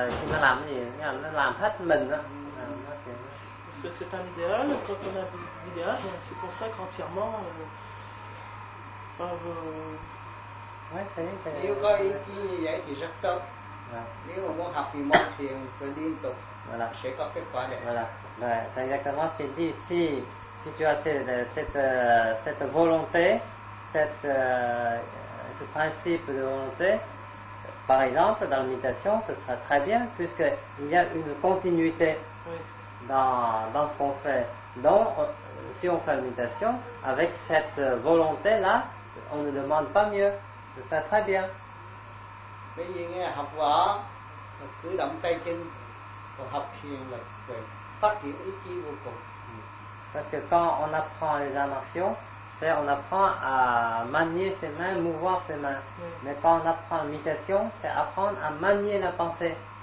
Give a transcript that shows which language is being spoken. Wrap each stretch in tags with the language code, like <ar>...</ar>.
<vi>Nó làm cái gì, nó làm hết mình đó.</vi> <fr>Parce que c'est un idéal, quand on a un idéal, on se consacre entièrement. Ouais, c'est vrai.</fr> <vi>Nếu có ý kiến như vậy thì rất tốt. Nếu mà muốn học thì mọi chuyện cứ liên tục.</vi> <fr>Voilà.</fr> <vi>Sẽ có kết quả đẹp.</vi> <fr>Voilà. Ouais, c'est exactement ce qu'il dit ici. Si tu as cette volonté, ce principe de volonté, par exemple, dans la méditation, ce sera très bien, puisqu'il y a une continuité dans ce qu'on fait. Donc, si on fait la méditation, avec cette volonté-là, on ne demande pas mieux. Ce sera très bien. Mais il y a un savoir,</fr> <vi>cứ động tay chân,</vi> <fr>pour</fr> <vi>học thiền là về phát triển ý chí vô cùng.</vi> <fr>Parce que quand on apprend les arts martiaux, c'est on apprend à manier ses mains, mouvoir ses mains. Oui. Mais quand on apprend la méditation, c'est apprendre à manier la pensée.</fr>